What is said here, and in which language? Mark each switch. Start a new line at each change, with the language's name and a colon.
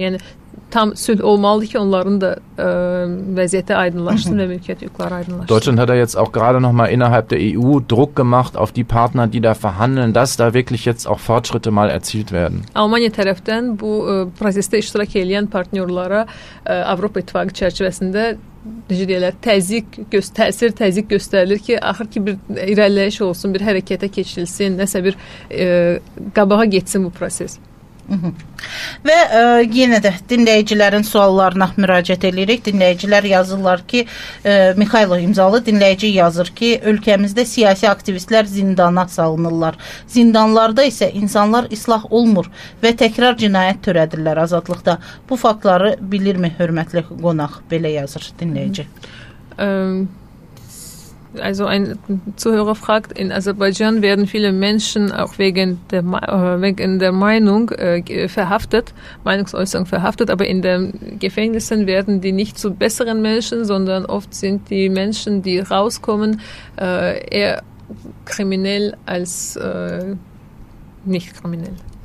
Azerbaijani: Yəni tam sülh olmalıdır ki onların da vəziyyəti aydınlaşsın və mülkiyyət hüquqları aydınlaşsın.
German: Deutschland hat da jetzt auch gerade noch mal innerhalb der EU Druck gemacht auf die Partner, die da verhandeln, dass da wirklich jetzt auch Fortschritte mal erzielt werden.
Azerbaijani: Almanya tərəfdən bu prosesdə iştirak edən partnyorlara Avropa İttifaqı çərçivəsində necə deyirlər, təzyiq göstərilir ki, axır ki bir irəliləyiş olsun, bir hərəkətə keçilsin, nəsə bir qabağa getsin bu proses. Və yenə də dinləyicilərin suallarına müraciət edirik. Dinləyicilər yazırlar ki, Mikhailo imzalı dinləyici yazır ki, ölkəmizdə siyasi aktivistlər zindana salınırlar. Zindanlarda isə insanlar islah olmur və təkrar cinayət törədirlər azadlıqda. Bu faktları bilirmi, hörmətli qonaq, belə yazır dinləyici.
German: Also ein Zuhörer fragt, in Aserbaidschan werden viele Menschen auch wegen der Meinung verhaftet, Meinungsäußerung verhaftet, aber in den Gefängnissen werden die nicht zu besseren Menschen, sondern oft sind die Menschen, die rauskommen, eher kriminell als nicht kriminell.